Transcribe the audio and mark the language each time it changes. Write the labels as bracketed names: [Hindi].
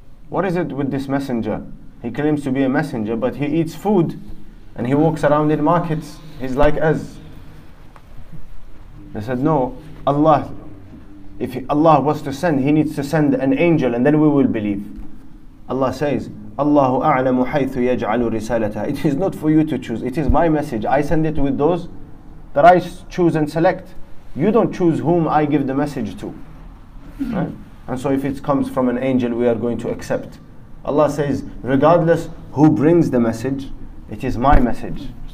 [English] What is it with this messenger? He claims to be a messenger, but he eats food and he walks around in markets. He's like us. They said, no, Allah, if Allah was to send, he needs to send an angel and then we will believe. Allah says, [Arabic] Allah أعلم حيث يجعل رسالته. [English] It is not for you to choose. It is my message. I send it with those that I choose and select. You don't choose whom I give the message to. Right? And so if it comes from an angel, we are going to accept. Allah says, regardless who brings the message, it is my message.